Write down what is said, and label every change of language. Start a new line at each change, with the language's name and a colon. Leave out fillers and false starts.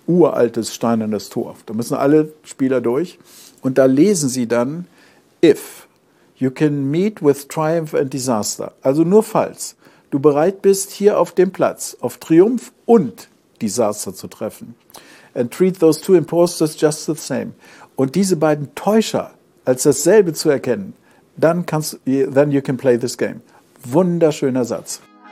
German: Uraltes, steinernes Tor. Da müssen alle Spieler durch. Und da lesen sie dann,
English: If you can meet with triumph and disaster.
German: Also nur falls du bereit bist, hier auf dem Platz auf Triumph und Desaster zu treffen.
English: And treat those two impostors just the same.
German: Und diese beiden Täuscher als dasselbe zu erkennen, dann kannst du,
English: then you can play this game.
German: Wunderschöner Satz.